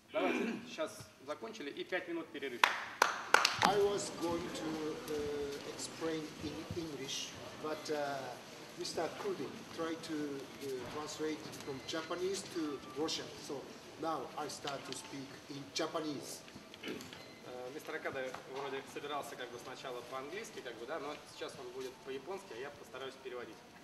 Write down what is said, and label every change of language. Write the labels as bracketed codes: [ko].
[ru] Давайте, сейчас закончили и 5 минут перерыв. [en] I was going to explain in English, but Mr. Kudi tried to translate from Japanese to Russian. So now I start to speak in Japanese. [ru] Мистер Акада вроде собирался как бы сначала по-английски, как бы, да, но сейчас он будет по-японски, а я постараюсь переводить.